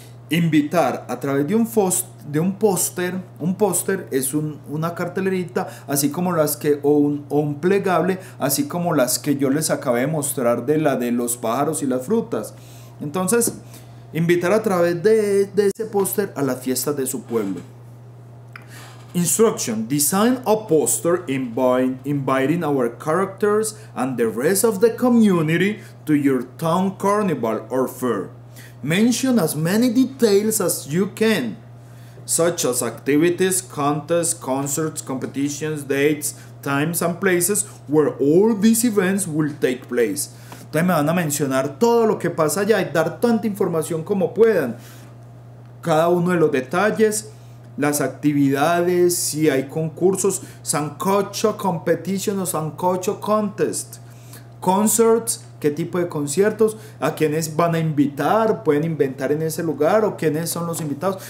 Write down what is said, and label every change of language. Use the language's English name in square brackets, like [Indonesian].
[Spanish] Invitar a través de un póster es una cartelerita, así como las que, o un plegable, así como las que yo les acabé de mostrar de la de los pájaros y las frutas. Entonces, invitar a través de ese póster a las fiestas de su pueblo. [English] Instruction: design a poster inviting our characters and the rest of the community to your town carnival or fair. Mention as many details as you can, such as activities, contests, concerts, competitions, dates, times and places where all these events will take place. [Spanish] Entonces me van a mencionar todo lo que pasa allá y dar tanta información como puedan. Cada uno de los detalles, las actividades, si hay concursos, sancocho competition o sancocho contest, concerts, qué tipo de conciertos, a quienes van a invitar, pueden inventar en ese lugar, o quiénes son los invitados.